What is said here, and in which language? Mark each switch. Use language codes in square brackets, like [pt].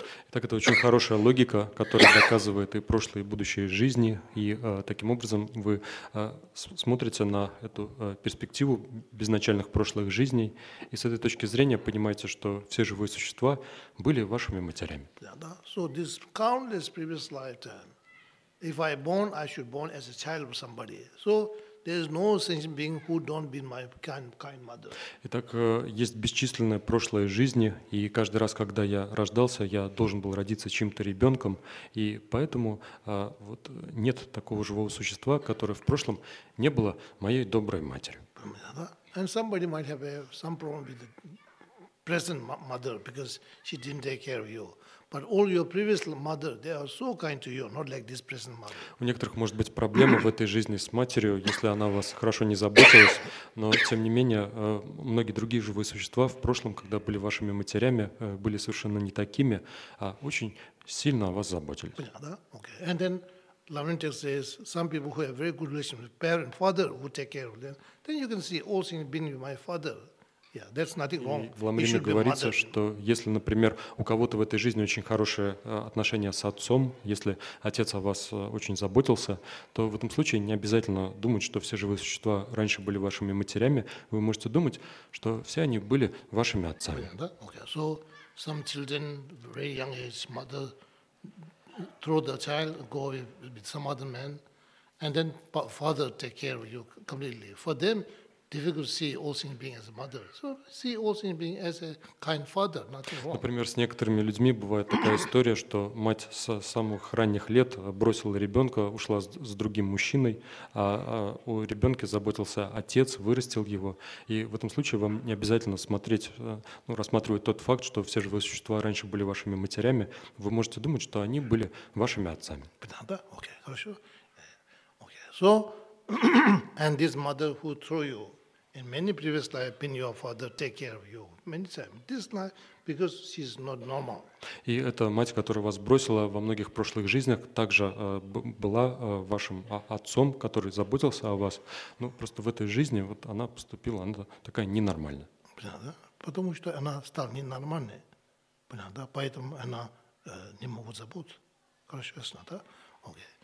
[ru] Так это очень хорошая логика, которая доказывает и прошлые, и будущие жизни. И таким образом вы смотрите на эту перспективу безначальных прошлых жизней и с этой точки зрения понимаете, что все живые существа были вашими матерями. [en] So this countless previous lifetime, if I born, I should born as a child of somebody. So there is no sentient being who don't be my kind mother. [ru] Итак, есть бесчисленное прошлое жизни, и каждый раз, когда я рождался, я должен был родиться чьим-то ребенком, и поэтому вот нет такого живого существа, которое в прошлом не было моей доброй матерью. [en] And somebody might have some problem with the present mother because she didn't take care of you. But all your previous mother, they are so kind to you, not like this present mother. [ru] У некоторых может быть проблема в этой жизни с матерью, если она вас хорошо не заботилась. Но тем не менее, многие другие живые существа в прошлом, когда были вашими матерями, были совершенно не такими, а очень сильно о вас заботились. Да, okay. [en] And then Lavrentiev says some people who have very good relationship with parent, father, who take care of them. Then you can see all things being with my father. Yeah, that's nothing wrong. [ru] В Ламрине говорится, что если, например, у кого-то в этой жизни очень хорошее отношение с отцом, если отец о вас очень заботился, то в этом случае не обязательно думать, что все живые существа раньше были вашими матерями. Вы можете думать, что все они были вашими отцами. [en] Okay, so some children, very young age, mother throw the child, go with some other man, and then father take care of you completely. For them, difficult to see all sentient beings as a mother. So see all sentient beings as a kind father, nothing wrong. [ru] Например, с некоторыми людьми бывает такая история, что мать с самых ранних лет бросила ребенка, ушла с другим мужчиной, а о ребенке заботился отец, вырастил его. И в этом случае вам не обязательно смотреть, ну, рассматривать тот факт, что все живые существа раньше были вашими матерями. Вы можете думать, что они были вашими отцами. Да, окей, хорошо. Окей, so. [en] And this mother who threw you in many previous life, been your father, take care of you many times. This life, because she's not normal. [ru] И эта мать, которая вас бросила во многих прошлых жизнях, также была вашим отцом, который заботился о вас. Ну просто в этой жизни вот она поступила, она такая ненормальная. Понятно? Потому что она стала ненормальной. Понятно? Поэтому она не может забыть. Хорошо, ясно, да? Окей.